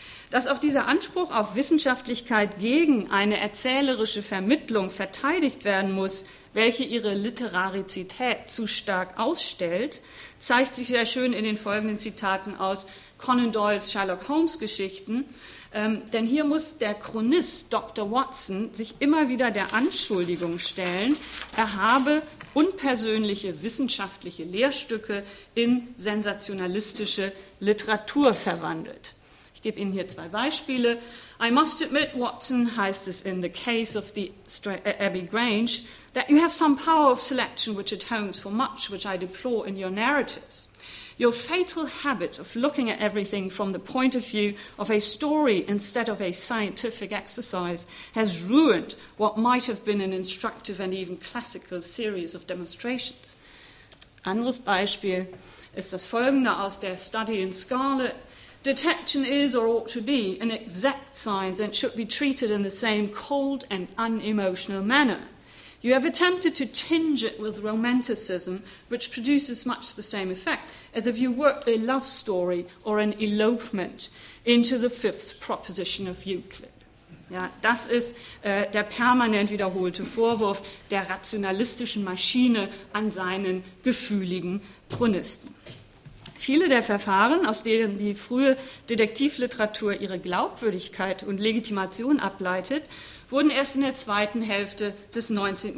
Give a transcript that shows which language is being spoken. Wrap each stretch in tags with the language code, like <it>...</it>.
<de>Dass auch dieser Anspruch auf Wissenschaftlichkeit gegen eine erzählerische Vermittlung verteidigt werden muss, welche ihre Literarizität zu stark ausstellt, zeigt sich sehr schön in den folgenden Zitaten aus Conan Doyles Sherlock Holmes Geschichten, denn hier muss der Chronist Dr. Watson sich immer wieder der Anschuldigung stellen, er habe unpersönliche wissenschaftliche Lehrstücke in sensationalistische Literatur verwandelt. Ich gebe Ihnen hier zwei Beispiele.</de> <en>I must admit, Watson,</en> <de>heißt es</de> <en>in the case of the Abbey Grange, that you have some power of selection which atones for much which I deplore in your narratives. Your fatal habit of looking at everything from the point of view of a story instead of a scientific exercise has ruined what might have been an instructive and even classical series of demonstrations.</en> <de>Anderes Beispiel ist das folgende aus der Study in Scarlet.</de> <en>Detection is or ought to be an exact science and should be treated in the same cold and unemotional manner. You have attempted to tinge it with romanticism, which produces much the same effect as if you worked a love story or an elopement into the fifth proposition of Euclid.</en> <de>Ja, das ist der permanent wiederholte Vorwurf der rationalistischen Maschine an seinen gefühligen Pronisten. Viele der Verfahren, aus denen die frühe Detektivliteratur ihre Glaubwürdigkeit und Legitimation ableitet, wurden erst in der zweiten Hälfte des 19.</de>